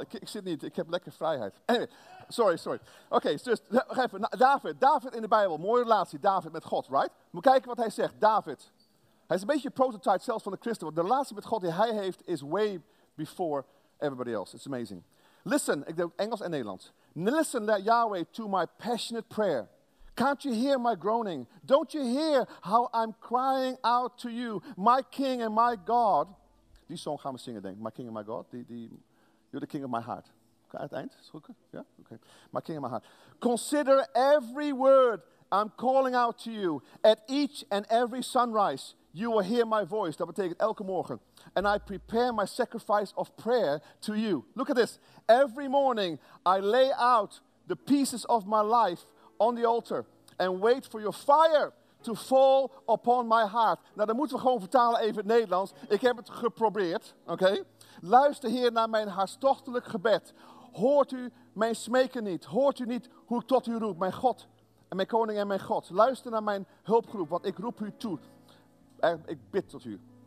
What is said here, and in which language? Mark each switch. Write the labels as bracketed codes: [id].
[nl] Ik zit niet, ik heb lekker vrijheid. [en] Anyway, sorry. [nl] Oké, dus even, David in de Bijbel. Mooie relatie, David met God, right? Moet kijken wat hij zegt, David. Hij is een beetje een prototype zelfs van de christen. Want de relatie met God die hij heeft is [en] way before everybody else. It's amazing. [nl] Listen, ik doe Engels en Nederlands. [en] Listen, Yahweh, to my passionate prayer. Can't you hear my groaning? Don't you hear how I'm crying out to you, my King and my God? [nl] Die song gaan we zingen, denk ik. [en] My King and my God. You're the King of my heart. Okay, at the end? [nl] Is goed? [en] Yeah? Okay. My King and my heart. Consider every word I'm calling out to you. At each and every sunrise, you will hear my voice. [nl] Dat betekent elke morgen. [en] And I prepare my sacrifice of prayer to you. Look at this. Every morning, I lay out the pieces of my life on the altar and wait for your fire to fall upon my heart. [nl] Nou, dan moeten we gewoon vertalen even in het Nederlands. Ik heb het geprobeerd, oké? Okay? Luister hier naar mijn hartstochtelijk gebed. Hoort u mijn smeken niet? Hoort u niet hoe ik tot u roep? Mijn God en mijn koning en mijn God. Luister naar mijn hulpgeroep, want ik roep u toe. Ik bid tot u.